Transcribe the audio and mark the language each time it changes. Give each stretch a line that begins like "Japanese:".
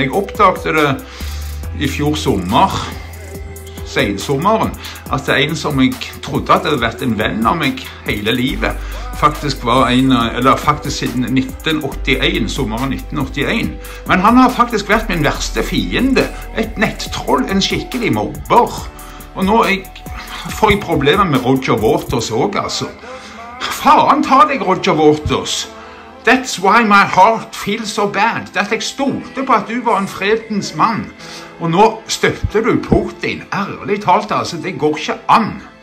Norwegian: Jeg oppdagte det I fjor sommer, sensommeren, at det en som jeg trodde hadde vært en venn av meg hele livet, faktisk var en, eller faktisk siden 1981, sommeren 1981. Men han har faktisk vært min verste fiende, et nettroll, en skikkelig mobber. Og nå får jeg problemer med Roger Waters også, altså. Faen, ta deg, Roger Waters!
English: That's why my heart feels so bad.
Norwegian: Det jeg stolte på at du var en fredens mann. Og nå støtter du Putin. Ærlig talt, altså, det går ikke an.